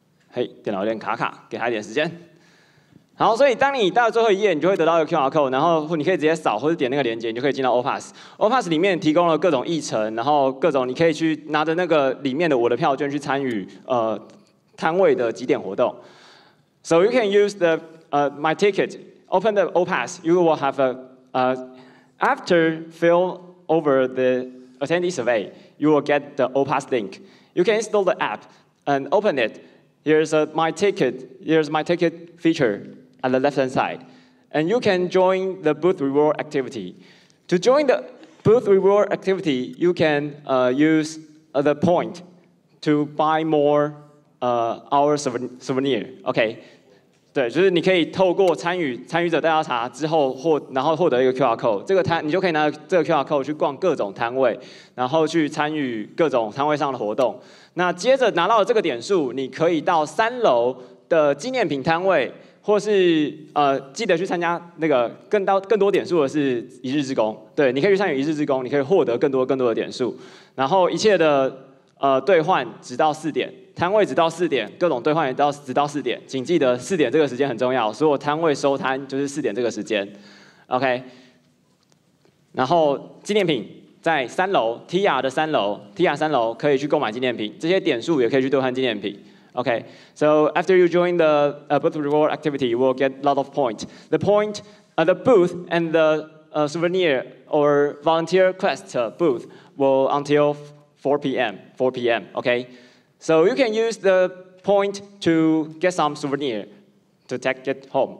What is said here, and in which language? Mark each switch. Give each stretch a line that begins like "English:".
Chinese: 嘿，电脑有点卡，给他一点时间。好，所以当你到最后一页，你就会得到一个 QR code， 然后你可以直接扫或者点那个连接，你就可以进到 OPAS。 OPAS 里面提供了各种议程，然后各种你可以去拿着那个里面的我的票券去参与摊位的几点活动。
English: So you can use the my ticket. Open the OPAS. You will have a after fill over the attendee survey, you will get the OPAS link. You can install the app and open it. Here's my ticket. Here's my ticket feature at the left hand side, and you can join the booth reward activity. To join the booth reward activity, you can use the point to buy more our souvenir. Okay.
Chinese: 对，就是你可以透过参与者大调查之后然后获得一个 QR code， 你就可以拿这个 QR code 去逛各种摊位，然后去参与各种摊位上的活动。那接着拿到这个点数，你可以到三楼的纪念品摊位，或是记得去参加那个更多点数的是一日之功。对，你可以去参与一日之功，你可以获得更多的点数。然后一切的兑换直到四点。摊位直到四点，各种兑换也到直到四点，请记得四点这个时间很重要，所有摊位收摊就是四点这个时间 ，OK。然后纪念品在三楼 ，TIA 的三楼 ，TIA 三楼可以去购买纪念品，这些点数也可以去兑换纪念品 ，OK。
English: So after you join the booth reward activity, you will get a lot of points. The point, the booth and the souvenir or volunteer quest booth will until 4 p.m. Okay. So you can use the point to get some souvenir to take it home.